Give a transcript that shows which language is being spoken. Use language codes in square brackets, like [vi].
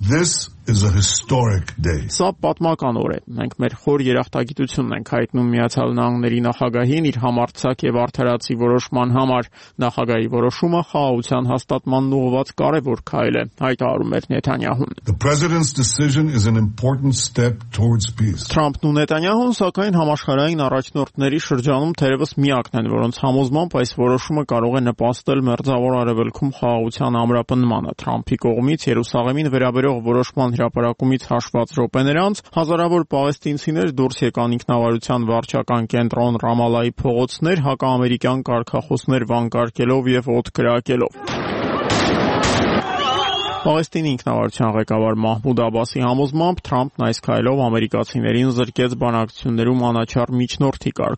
[en] Is a historic day. [hy] Սա պատմական օր է։ Մենք մեր խոր երախտագիտությունն ենք հայտնում Միացյալ Նահանգների նախագահին իր համարձակ և արդարացի որոշման համար։ Նախագահի որոշումը խաղաղության հաստատման ուղղված կարևոր քայլ է, հայտարարում էր Նեթանյահուն։ [en] The president's decision is an important step towards peace. [hy] Թրամփն ու Նեթանյահուն, սակայն, համաշխարհային առաջնորդների շրջանում թերևս միակն են, որոնց համոզմամբ այս որոշումը կարող է նպաստել մերձավոր արևելքում խաղաղության ամրապնդմանը։ Թրամփի կողմից Երուսաղեմին վերաբերող որոշման հրապարակումից հաշված րոպեներ անց հազարավոր պաղեստինցիներ դուրս եկան ինքնավարության վարչական կենտրոն Ռամալայի փողոցներ, հակաամերիկյան կարգախոսներ վանկարկելով և օդ կրակելով։ Պաղեստինի ինքնավարության ղեկավար Մահմուդ Աբասի համոզմամբ Թրամփն այս քայլով ամերիկացիներին զրկեց բանակցություններում անաչառ միջնորդի